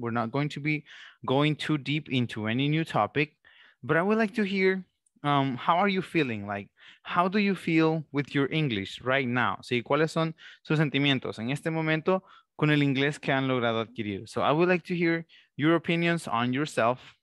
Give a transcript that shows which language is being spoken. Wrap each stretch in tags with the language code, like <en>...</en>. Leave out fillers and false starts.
<en>We're not going to be going too deep into any new topic, but I would like to hear how are you feeling? Like, how do you feel with your English right now?</en> <es>¿Sí? ¿Cuáles son sus sentimientos en este momento con el inglés que han logrado adquirir?</es> <en>So I would like to hear your opinions on yourself.</en>